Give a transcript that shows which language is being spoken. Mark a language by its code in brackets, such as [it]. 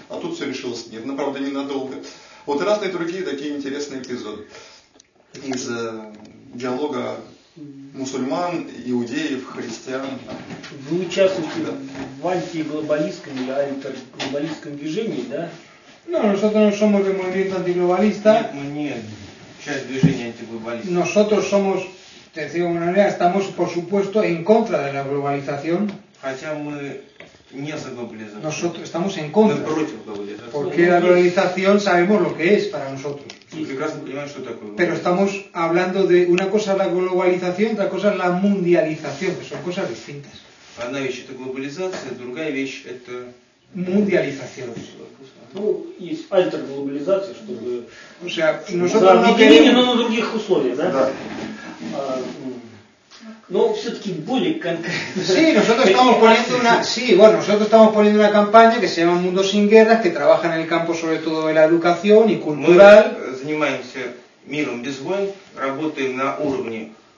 [ru] А тут все решилось нет, но, правда, ненадолго. Вот и разные другие такие интересные эпизоды из диалога мусульман, иудеев, христиан. Вы участвуете да. в антиглобалистском или антиглобалистском движении, да? [es] Ну, nosotros somos de movimiento antiglobalista. [ru] Нет, мы не часть движения антиглобалистов. [es] Nosotros somos, te digo una manera, estamos, por supuesto, en contra de la globalización. [ru] Хотя мы не за глобализацию. [es] Nosotros estamos en contra. [ru] Мы против глобализации. [es] Porque la globalización sabemos lo que es para nosotros. Pero estamos hablando de una cosa la globalización, otra cosa la mundialización, que son cosas distintas. [ru] Одна вещь это глобализация, другая вещь это мундиализация. Есть альтерглобализация, чтобы. Уже нужно объединение, но на других условиях, да? Да. Но все-таки более конкретно. [es] Sí, nosotros estamos poniendo una. Sí, bueno, nosotros estamos poniendo una campaña que se llama Mundo sin Guerras, que trabaja en el campo sobre todo de la educación y cultural. [ru] Мы занимаемся миром без войн, работаем на уровне